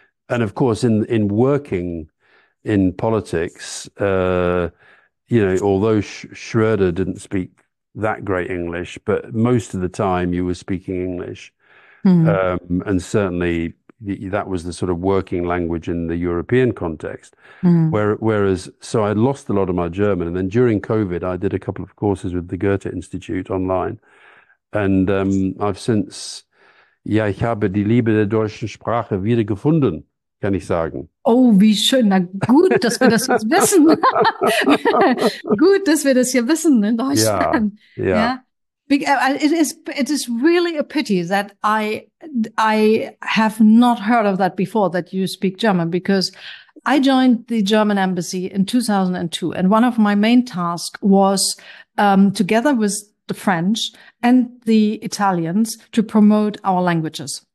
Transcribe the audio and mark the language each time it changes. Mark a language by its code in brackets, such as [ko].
[en] And of course, in working in politics, although Schröder didn't speak that great English, but most of the time you were speaking English. Mm. And certainly that was the sort of working language in the European context. Mm. Whereas I lost a lot of my German. And then during COVID, I did a couple of courses with the Goethe Institute online. And I've since, [de] ja, ich habe die Liebe der deutschen Sprache wieder gefunden. Kann ich sagen. Oh, wie schön. Na gut, dass wir das jetzt wissen. Gut, dass wir das hier wissen in Deutschland. [en] It is really a pity that I have not heard of that before, that you speak German, because I joined the German embassy in 2002, and one of my main tasks was, together with the French and the Italians, to promote our languages.